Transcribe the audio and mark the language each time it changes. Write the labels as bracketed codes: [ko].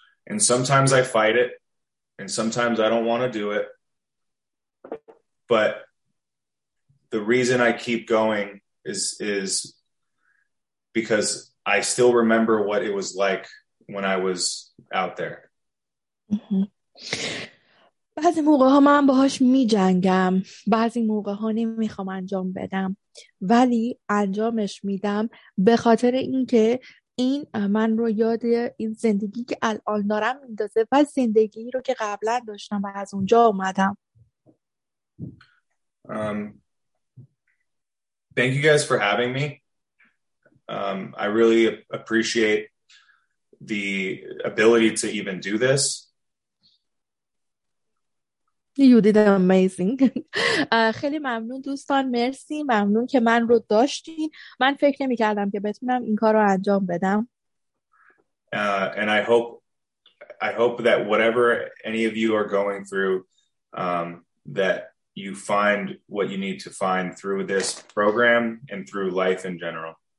[en] And sometimes I fight it. And sometimes I don't want to do it, but the reason I keep going is because I still remember what it was like when I was out there. [fa] بعضی موقع ها من باهاش می جنگم، بعضی موقع ها نمی خوام انجام بدم، ولی انجامش میدم به خاطر اینکه این من رو یاد این زندگی که الان دارم میندازه و زندگی رو که قبلا داشتم و از اونجا اومدم. [en] Thank you guys for having me. I really appreciate the ability to even do this. You did amazing. [fa] خیلی ممنون دوستان، مرسی، ممنون که من رو داشتین. من فکر نمی کردم که بتونم این کار رو انجام بدم. [en] And I hope that whatever any of you are going through, that you find what you need to find through this program and through life in general.